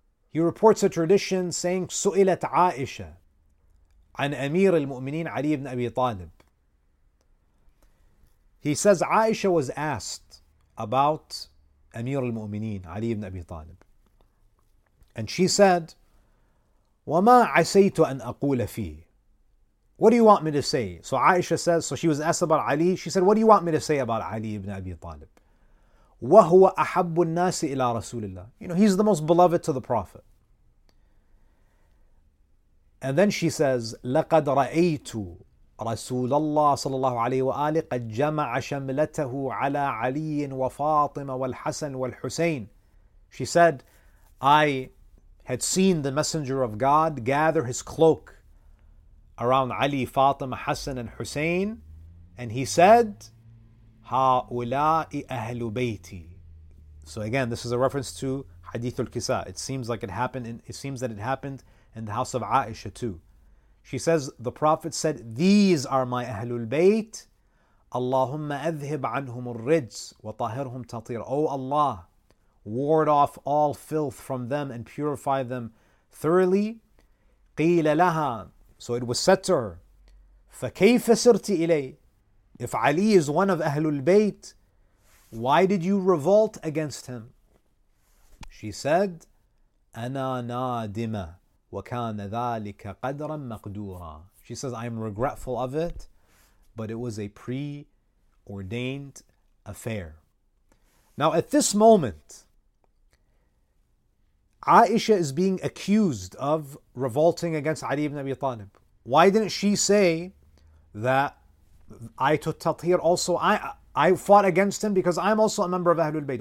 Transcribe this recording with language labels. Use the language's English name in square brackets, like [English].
[English] He reports a tradition saying, [Arabic] Su'ilat Aisha an Amir al-Mu'mineen Ali ibn Abi Talib. [English] He says, Aisha was asked about Amir al-Mu'mineen Ali ibn Abi Talib. And she said, [Arabic] وَمَا عَسَيْتُ أَنْ أَقُولَ فِيهِ. [English] What do you want me to say? So Aisha says, so she was asked about Ali. She said, what do you want me to say about Ali ibn Abi Talib? [Arabic] وَهُوَ أَحَبُّ النَّاسِ إِلَىٰ رَسُولِ اللَّهِ. [English] You know, he's the most beloved to the Prophet. And then she says, [Arabic] لَقَدْ رَأَيْتُ رَسُولَ اللَّهِ صَلَى اللَّهُ عَلَيْهِ وَآلِهِ قَدْ جَمَعَ شَمْلَتَهُ عَلَىٰ عَلِيٍّ وَفَاطِمَ وَالْحَسَنِ وَالْحُسَيْنِ. [English] She said, I had seen the Messenger of God gather his cloak around Ali, Fatima, Hassan, and Hussein, and he said, [Arabic] هَؤُلَاءِ أَهْلُ بَيْتِي. [English] So again, this is a reference to Hadith al-Kisa. It seems that it happened in the house of Aisha too. She says, the Prophet said, these are my Ahlul Bayt. [Arabic] اللهم أذهب عنهم الرجس وطهرهم تطير. [English] O Allah, ward off all filth from them and purify them thoroughly. [Arabic] قِيلَ لَهَا. [English] So it was said to her, [Arabic] فَكَيْفَ سِرْتِ إِلَيْهِ. [English] If Ali is one of Ahlul Bayt, why did you revolt against him? She said, [Arabic] أَنَا نَادِمَ وَكَانَ ذَلِكَ قَدْرًا مَقْدُورًا. [English] She says, I'm regretful of it, but it was a preordained affair. Now at this moment, Aisha is being accused of revolting against Ali ibn Abi Talib. Why didn't she say that Ayatul Tathir also, I fought against him because I'm also a member of Ahlul Bayt.